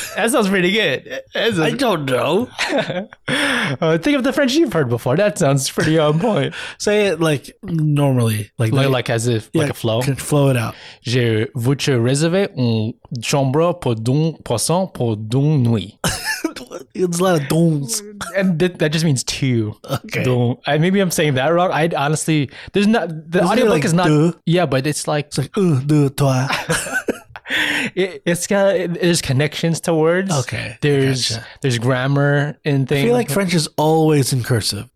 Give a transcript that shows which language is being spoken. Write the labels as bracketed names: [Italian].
[English] That sounds pretty good. I don't know. Think of the French you've heard before. That sounds pretty on point. Say it like normally. Like as if, like a flow. Flow it out. [French] Je voudrais réserver une chambre pour deux personnes pour deux nuits. [English] It's a lot of dons. And that just means two. Okay. Maybe I'm saying that wrong. I honestly, there's not, the audiobook is not. Yeah, but it's like [French] deux, toi. [English] There's connections to words. Okay. There's grammar in things. I feel like French is always in cursive.